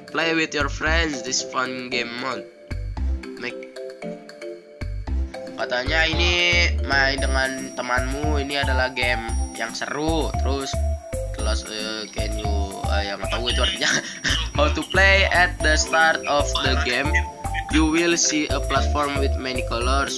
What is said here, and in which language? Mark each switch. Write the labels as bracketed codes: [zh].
[en] Play with your friends this fun game mode. Make. [id] Katanya ini main dengan temanmu, ini adalah game yang seru. Terus kelas [en] can you [id] ya enggak tahu itu artinya. [en] How to play at the start of the game. You will see a platform with many colors.